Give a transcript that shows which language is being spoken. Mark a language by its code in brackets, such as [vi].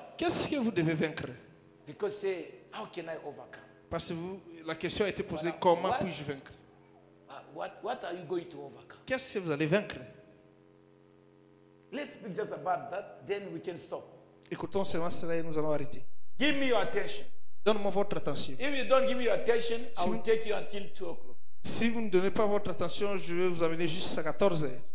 [fr] Qu'est-ce que vous devez vaincre? [en] Because say, how can I overcome? [fr] Parce que la question a été posée, comment puis-je vaincre? [en] What are you going to overcome? [fr] Qu'est-ce que vous allez vaincre? [en] Let's speak just about that, then we can stop. [fr] Écoutons seulement cela et nous allons arrêter. [en] Give me your attention. [fr] Donne-moi votre attention. [en] If you don't give me your attention, si I will take you until 2 o'clock. [fr] Si vous ne donnez pas votre attention, je vais vous amener jusqu'à 14h.